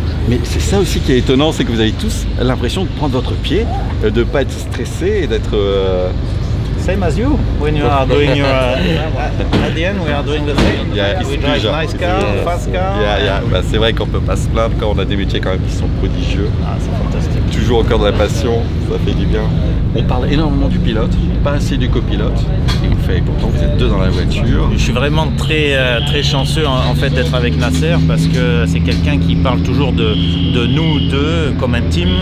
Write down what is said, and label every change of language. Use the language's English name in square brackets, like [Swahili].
[French] Mais c'est ça aussi qui est étonnant, c'est que vous avez tous l'impression de prendre votre pied, de ne pas être stressé et d'être... [English] Same as you, when you are doing your... at the end, we are doing the same. Yeah, we drive bizarre. Nice car, yeah. Fast car. Yeah, yeah. [French] Bah, c'est vrai qu'on ne peut pas se plaindre quand on a des métiers quand même qui sont prodigieux. Ah, c'est fantastique. Toujours au cœur de la passion, ça fait du bien. On parle énormément du pilote, pas assez du copilote. Et vous faites, pourtant vous êtes deux dans la voiture. Je suis vraiment très, très chanceux en fait d'être avec Nasser parce que c'est quelqu'un qui parle toujours de nous deux comme un team.